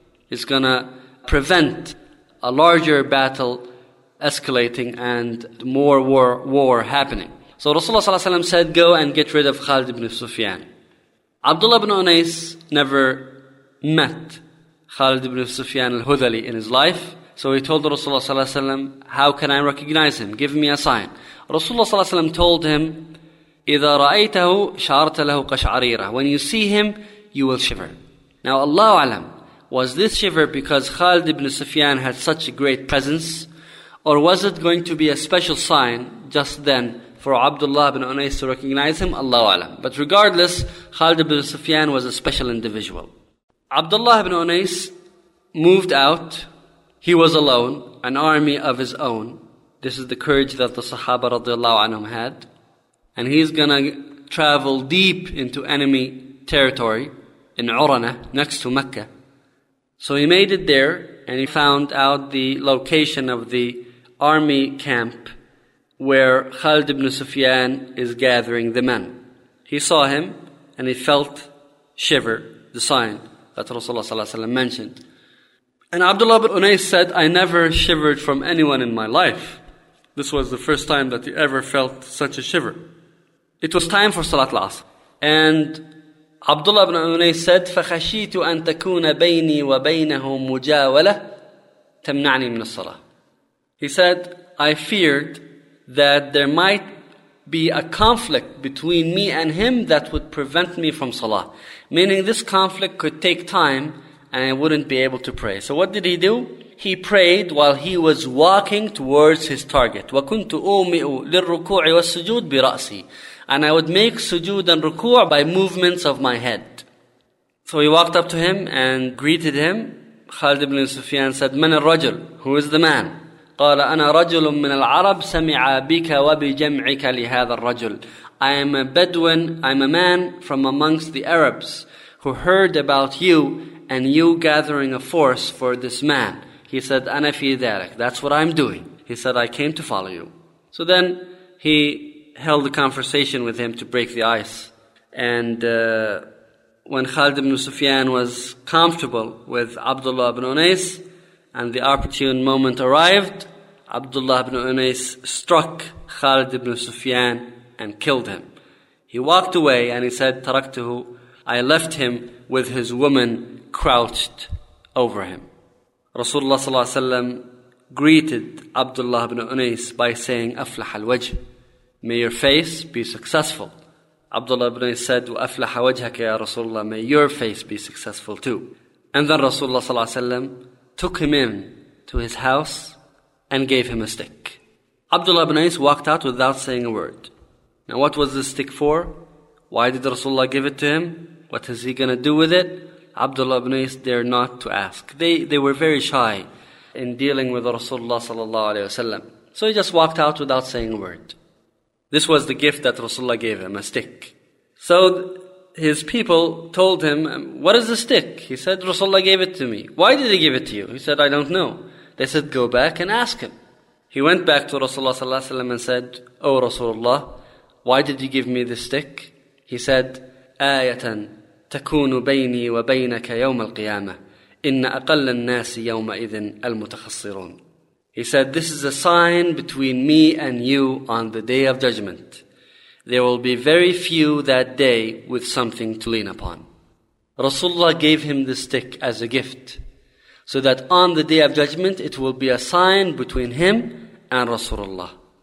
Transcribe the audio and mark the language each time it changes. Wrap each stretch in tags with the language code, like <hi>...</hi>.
<en>It's going to prevent a larger battle escalating and more war happening. So Rasulullah ﷺ said, go and get rid of Khalid ibn Sufyan. Abdullah ibn Unais never met Khalid ibn Sufyan al-Hudali in his life. So he told Rasulullah ﷺ, how can I recognize him? Give me a sign. Rasulullah ﷺ told him,</en> <ar>إِذَا رَأَيْتَهُ شَعَرْتَ لَهُ قَشْعَرِيرًا.</ar> <en>When you see him, you will shiver. Now Allahu alam, was this shiver because Khalid ibn Sufyan had such a great presence? Or was it going to be a special sign just then for Abdullah ibn Unais to recognize him? Allahu alam. But regardless, Khalid ibn Sufyan was a special individual. Abdullah ibn Unais moved out. He was alone, an army of his own. This is the courage that the Sahaba radiallahu anhum had. And he's going to travel deep into enemy territory in Urana, next to Mecca. So he made it there, and he found out the location of the army camp where Khalid ibn Sufyan is gathering the men. He saw him, and he felt shiver, the sign that Rasulullah ﷺ mentioned. And Abdullah ibn Unais said, I never shivered from anyone in my life. This was the first time that he ever felt such a shiver. It was time for Salat al-Asr. And Abdullah ibn Unais said,</en> <ar>فَخَشِيتُ أَن تَكُونَ بَيْنِي وَبَيْنَهُ مُجَاوَلَةٌ تَمْنَعْنِي مِنَ الصَّلَاةِ.</ar> <en>He said, I feared that there might be a conflict between me and him that would prevent me from Salah. Meaning this conflict could take time and I wouldn't be able to pray. So what did he do? He prayed while he was walking towards his target.</en> <ar>وَكُنْتُ أُومِئُ لِلْرُكُوعِ وَالسُّجُودِ بِرَأْسِي.</ar> <en>And I would make sujood and ruku' by movements of my head. So he walked up to him and greeted him. Khalid ibn Sufyan said,</en> <ar>من الرجل?</ar> <en>Who is the man?</en> <ar>قال أنا رجل من العرب سمع بك وبجمعك لهذا الرجل.</ar> <en>I am a Bedouin, I'm a man from amongst the Arabs who heard about you and you gathering a force for this man. He said,</en> <ar>أنا في ذلك.</ar> <en>That's what I'm doing. He said, I came to follow you. So then he held a conversation with him to break the ice. And when Khalid ibn Sufyan was comfortable with Abdullah ibn Unais, and the opportune moment arrived, Abdullah ibn Unais struck Khalid ibn Sufyan and killed him. He walked away and he said, Taraktuhu, I left him with his woman crouched over him. Rasulullah sallallahu alayhi wa sallam greeted Abdullah ibn Unais by saying, Aflah al-wajh. May your face be successful. Abdullah ibn Unais said,</en> <ar>وَأَفْلَحَ وَجْهَكَ يَا رَسُولَ اللَّهِ.</ar> <en>May your face be successful too. And then Rasulullah sallallahu alayhi wa sallam took him in to his house and gave him a stick. Abdullah ibn Unais walked out without saying a word. Now what was the stick for? Why did Rasulullah give it to him? What is he going to do with it? Abdullah ibn Unais dared not to ask. They were very shy in dealing with Rasulullah sallallahu alayhi wa sallam. So he just walked out without saying a word. This was the gift that Rasulullah gave him, a stick. So his people told him, what is the stick? He said, Rasulullah gave it to me. Why did he give it to you? He said, I don't know. They said, go back and ask him. He went back to Rasulullah sallallahu alaihi wasallam and said, O Rasulullah, why did you give me this stick? He said,</en> <ar>آيَةً تَكُونُ بَيْنِي وَبَيْنَكَ يَوْمَ الْقِيَامَةِ إِنَّ أَقَلَّ النَّاسِ يَوْمَئِذٍ الْمُتَخَصِّرُونَ.</ar> <en>He said, this is a sign between me and you on the Day of Judgment. There will be very few that day with something to lean upon. Rasulullah gave him the stick as a gift, so that on the Day of Judgment, it will be a sign between him and Rasulullah.</en>